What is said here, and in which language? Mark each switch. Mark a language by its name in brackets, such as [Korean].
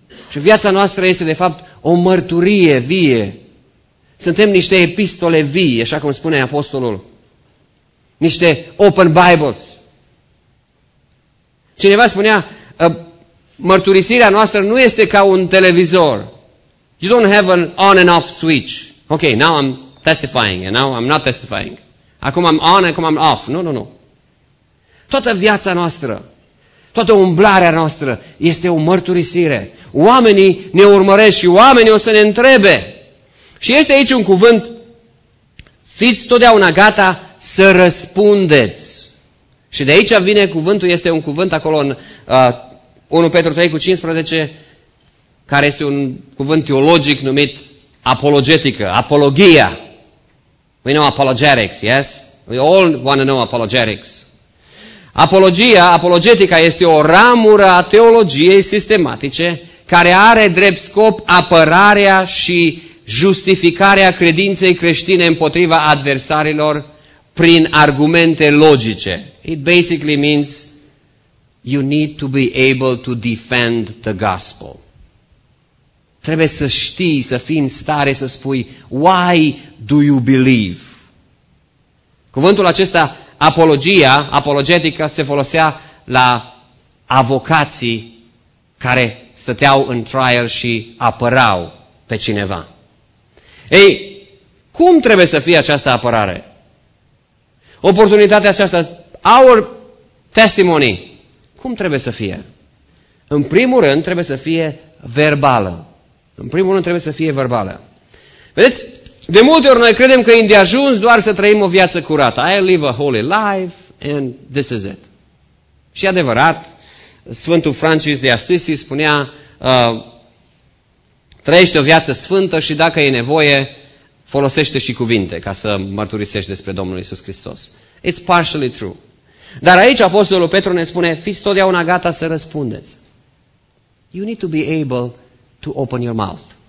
[Romanian] Și viața noastră este, de fapt, o mărturie vie. Suntem niște epistole vii, așa cum spune Apostolul. Niște [English] open Bibles. [Romanian] Cineva spunea, mărturisirea noastră nu este ca un televizor. [English] You don't have an on and off switch. Ok, now I'm testifying, and now I'm not testifying. [Romanian] Acum [English] I'm on, [Romanian] acum [English] I'm off. [Romanian] Nu. Toată viața noastră, toată umblarea noastră este o mărturisire. Oamenii ne urmăresc și oamenii o să ne întrebe. Și este aici un cuvânt, fiți totdeauna gata să răspundeți. Și de aici vine cuvântul, este un cuvânt acolo în 1 Petru 3 cu 15, care este un cuvânt teologic numit apologetică, apologia. [English] We know apologetics, yes? We all want to know apologetics. [Romanian] Apologia, apologetica, este o ramură a teologiei sistematice care are drept scop apărarea și justificarea credinței creștine împotriva adversarilor prin argumente logice. [English] It basically means you need to be able to defend the gospel. [Romanian] Trebuie să știi, să fii în stare să spui [English] why do you believe? [Romanian] Cuvântul acesta, apologia, apologetică, se folosea la avocații care stăteau în trial și apărau pe cineva. Ei, cum trebuie să fie această apărare? Oportunitatea aceasta, [English] our testimony, [Romanian] cum trebuie să fie? În primul rând, trebuie să fie verbală. În primul rând, trebuie să fie verbală. Vedeți? De multe ori noi credem că e îndeajuns doar să trăim o viață curată. [English] I live a holy life and this is it. [Romanian] Și adevărat, Sfântul Francis de Assisi spunea, trăiește o viață sfântă și dacă e nevoie, folosește și cuvinte ca să mărturisești despre Domnul Iisus Hristos. [English] It's partially true. [Romanian] Dar aici Apostolul Petru ne spune, fiți totdeauna gata să răspundeți. [English] You need to be able to open your mouth.